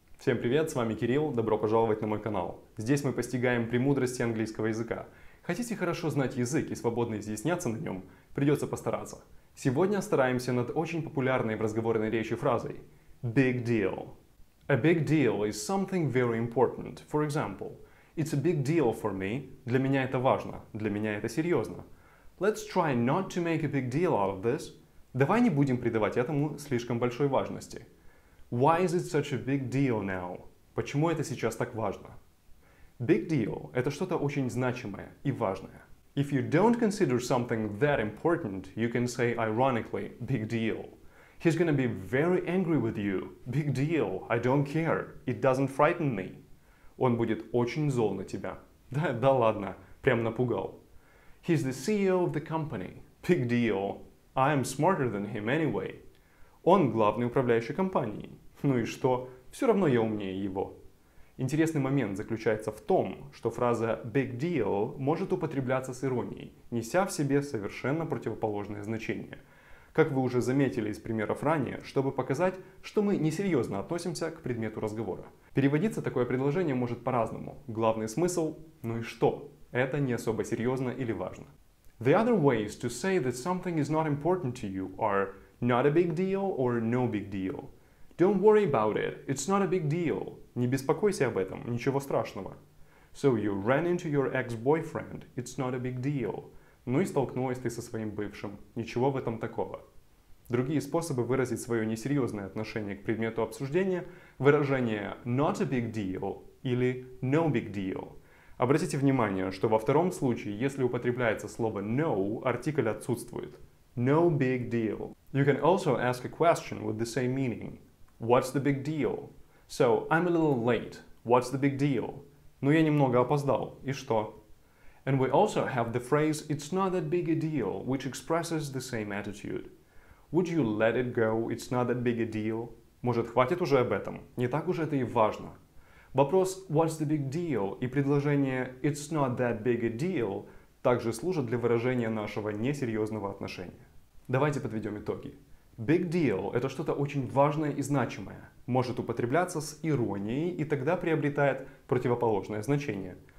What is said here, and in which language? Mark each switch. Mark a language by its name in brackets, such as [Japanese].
[Russian] Всем привет, с вами Кирилл, добро пожаловать на мой канал. Здесь мы постигаем премудрости английского языка. Хотите хорошо знать язык и свободно изъясняться на нем? Придется постараться. Сегодня стараемся над очень популярной в разговорной речи фразой big deal. [English] A big deal is something very important. For example, it's a big deal for me. [Russian] Для меня это важно, для меня это серьезно. [English] Let's try not to make a big deal out of this. [Russian] Давай не будем придавать этому слишком большой важности. [English] Why is it such a big deal now? [Russian] Почему это сейчас так важно? Big deal – это что-то очень значимое и важное. [English] If you don't consider something that important, you can say ironically, big deal. He's gonna be very angry with you. Big deal. I don't care. It doesn't frighten me. [Russian] Он будет очень зол на тебя. Да ладно, прям напугал. [English] He's the CEO of the company. Big deal. I am smarter than him anyway. [Russian] Он главный управляющий компанией. Ну и что? Все равно я умнее его. Интересный момент заключается в том, что фраза big deal может употребляться с иронией, неся в себе совершенно противоположное значение. Как вы уже заметили из примеров ранее, чтобы показать, что мы несерьезно относимся к предмету разговора. Переводиться такое предложение может по-разному. Главный смысл – ну и что? Это не особо серьезно или важно. [English] The other ways to say that something is not important to you are not a big deal or no big deal. Don't worry about it, it's not a big deal. [Russian] Не беспокойся об этом, ничего страшного. [English] So you ran into your ex-boyfriend, it's not a big deal. [Russian] Ну и столкнулась ты со своим бывшим, ничего в этом такого. Другие способы выразить свое несерьезное отношение к предмету обсуждения – выражение not a big deal или no big deal. Обратите внимание, что во втором случае, если употребляется слово no, артикль отсутствует. [English] No big deal. You can also ask a question with the same meaning. What's the big deal? So, I'm a little late. What's the big deal? [Russian] Ну, я немного опоздал. И что? [English] And we also have the phrase, it's not that big a deal, which expresses the same attitude. Would you let it go? It's not that big a deal. [Russian] Может, хватит уже об этом? Не так уж это и важно. Вопрос [English] «What's the big deal?» [Russian] и предложение [English] «It's not that big a deal» [Russian] также служат для выражения нашего несерьезного отношения. Давайте подведем итоги. Big deal – это что-то очень важное и значимое, может употребляться с иронией и тогда приобретает противоположное значение.